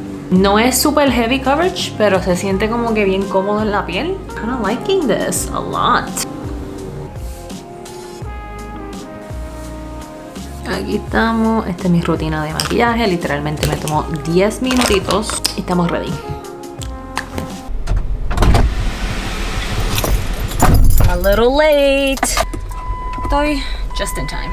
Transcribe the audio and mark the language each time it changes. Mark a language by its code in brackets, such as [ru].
[es] No es [en] super heavy coverage, [es] pero se siente como que bien cómodo en la piel. [en] Kind of liking this a lot. [es] Aquí estamos, esta es mi rutina de maquillaje, literalmente me tomó 10 minutitos y estamos ready. [en] A little late. Estoy just in time.